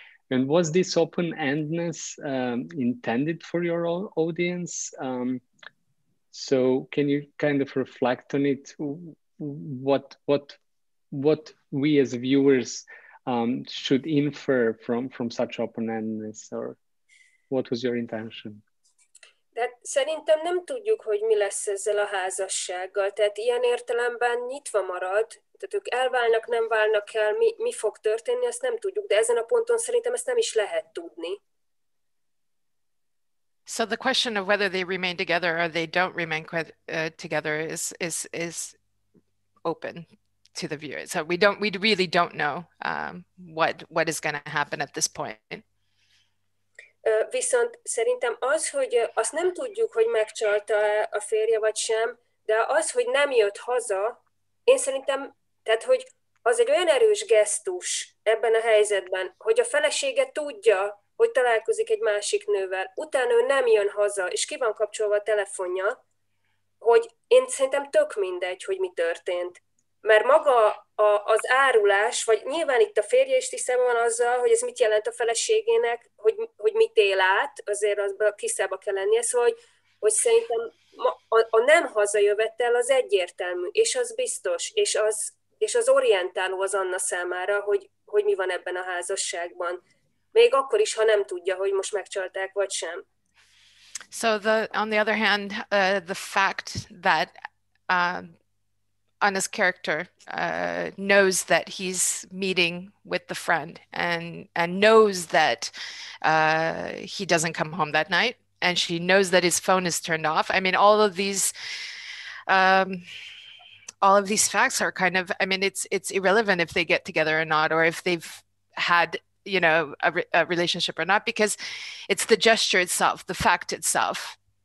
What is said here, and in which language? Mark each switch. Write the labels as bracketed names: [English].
[English] And was this open-endedness intended for your audience? So can you kind of reflect on it? What we as viewers should infer from such open-endedness or... What was your intention? [Hungarian] De szerintem nem tudjuk, hogy mi lesz ezzel a házassággal. Tehát ilyen értelemben nyitva marad, tehát ők elválnak, nem válnak el, mi fog történni, azt nem tudjuk. De ezen a ponton szerintem ezt nem is lehet tudni. [English] So the question of whether they remain together or they don't remain together is open to the viewer. So we really don't know what is going to happen at this point. [Hungarian] Viszont szerintem az, hogy azt nem tudjuk, hogy megcsalta-e a férje vagy sem, de az, hogy nem jött haza, én szerintem, tehát hogy az egy olyan erős gesztus ebben a helyzetben, hogy a felesége tudja, hogy találkozik egy másik nővel, utána ő nem jön haza, és ki van kapcsolva a telefonja, hogy én szerintem tök mindegy, hogy mi történt. Mert maga az árulás, vagy nyilván itt a férje is tisztában van azzal, hogy ez mit jelent a feleségének, hogy mit él át, azért az tisztában kell lennie, szóval, hogy szerintem a nem hazajövetel az egyértelmű, és az biztos, és az orientáló az Anna számára, hogy mi van ebben a házasságban. Még akkor is, ha nem tudja, hogy most megcsalták, vagy sem. [English] So on the other hand, the fact that... Anna's character knows that he's meeting with the friend and knows that he doesn't come home that night. And she knows that his phone is turned off. I mean, all of these facts are kind of, I mean, it's irrelevant if they get together or not, or if they've had, you know, a relationship or not, because it's the gesture itself, the fact itself.